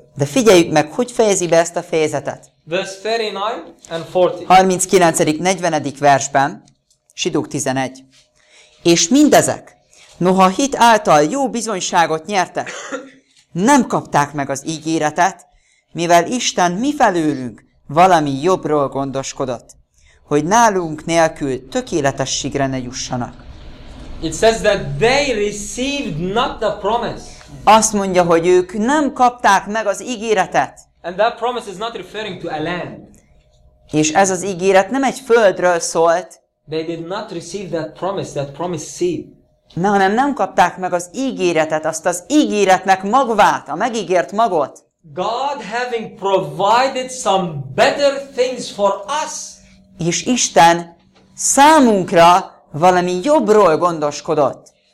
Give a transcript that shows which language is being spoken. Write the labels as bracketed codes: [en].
[hu] De figyeljük meg, hogy fejezi be ezt a fejezetet. [en] Verse 39 and 40. [hu] 39. 40. versben, Zsidók 11. És mindezek, noha hit által jó bizonyságot nyertek, nem kapták meg az ígéretet, mivel Isten mifelőlünk valami jobbról gondoskodott, hogy nálunk nélkül tökéletességre ne jussanak. [en] It says that they received not the promise. [hu] Azt mondja, hogy ők nem kapták meg az ígéretet. [en] And that promise is not referring to a land. [hu] És ez az ígéret nem egy földről szólt. [en] They did not receive that promise seed. [hu] Na, hanem nem kapták meg az ígéretet, azt az ígéretnek magvát, a megígért magot. [en] God having provided some better things for us. [hu] És Isten számunkra valami jobbról gondoskodott.